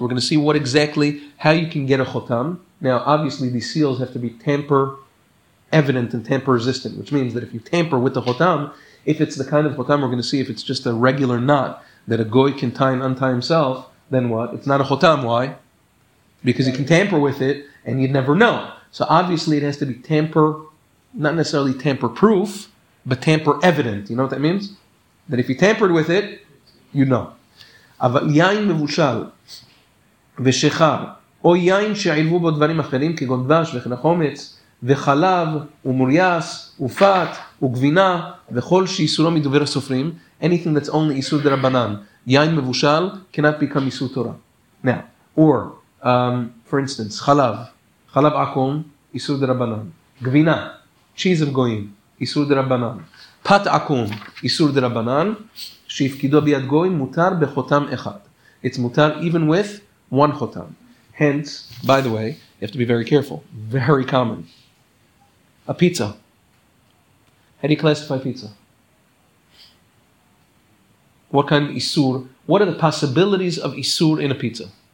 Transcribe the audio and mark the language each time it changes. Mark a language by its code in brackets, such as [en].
[en] We're going to see what exactly, how you can get a chotam. Now, obviously, these seals have to be tamper evident and tamper resistant, which means that if you tamper with the chotam, if it's the kind of chotam we're going to see, if it's just a regular knot that a goy can tie and untie himself, then what? It's not a chotam. Why? Because you can tamper with it and you'd never know. So obviously it has to be tamper, not necessarily tamper proof, but tamper evident. You know what that means? That if you tampered with it, you know. [he] אבל יין מבושל ושחר או יין שעילבו בו דברים אחרים כגון דבש וכן החומץ וחלב ומורייס ופת וגבינה וכל שאיסורו מדובר הסופרים. [en] Anything that's only איסור דרבנן, יין מבושל cannot become איסור תורה. Now, or for instance, חלב עקום, איסור דרבנן. גבינה, cheese of goyim, איסור דרבנן. [he] פת עקום, איסור דרבנן, שיפקידו ביד גוי, מותר בחותם אחד. [en] It's מותר even with one חותם. Hence, by the way, you have to be very careful, very common. A pizza. How do you classify pizza? What kind of isur? What are the possibilities of isur in a pizza?